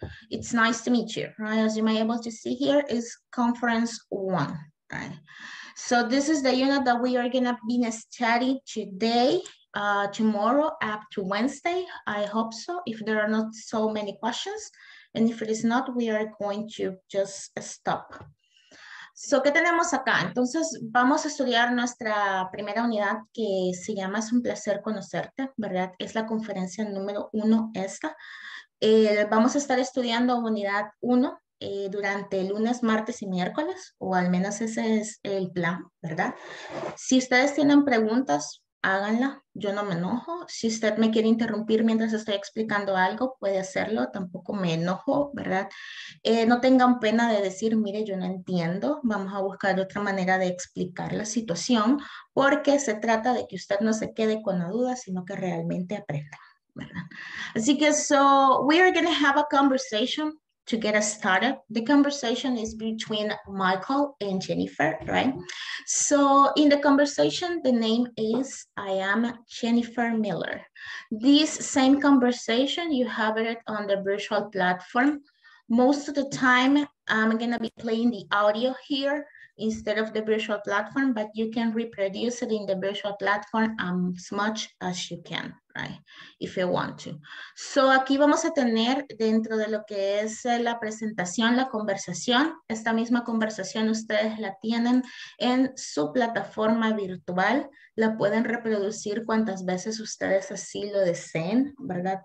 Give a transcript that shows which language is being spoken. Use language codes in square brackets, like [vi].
[en] It's nice to meet you, right? As you may be able to see here is conference one, right? So this is the unit that we are gonna be studying today. Tomorrow up to Wednesday, I hope so, if there are not so many questions. And if it is not, we are going to just stop. [es] So, ¿qué tenemos acá? Entonces, vamos a estudiar nuestra primera unidad que se llama Es un placer conocerte, ¿verdad? Es la conferencia número uno esta. Vamos a estar estudiando unidad uno durante lunes, martes y miércoles, o al menos ese es el plan, ¿verdad? Si ustedes tienen preguntas, háganla, yo no me enojo. Si usted me quiere interrumpir mientras estoy explicando algo, puede hacerlo, tampoco me enojo, ¿verdad? No tengan pena de decir, mire, yo no entiendo, vamos a buscar otra manera de explicar la situación, porque se trata de que usted no se quede con la duda, sino que realmente aprenda, ¿verdad? Así que, [en] so, we are going to have a conversation to get us started. The conversation is between Michael and Jennifer, right? So in the conversation, the name is, I am Jennifer Miller. This same conversation, you have it on the virtual platform. Most of the time, I'm gonna be playing the audio here instead of the virtual platform, but you can reproduce it in the virtual platform as much as you can, right? If you want to. [es] So aquí vamos a tener dentro de lo que es la presentación, la conversación, esta misma conversación ustedes la tienen en su plataforma virtual, la pueden reproducir cuantas veces ustedes así lo deseen, ¿verdad?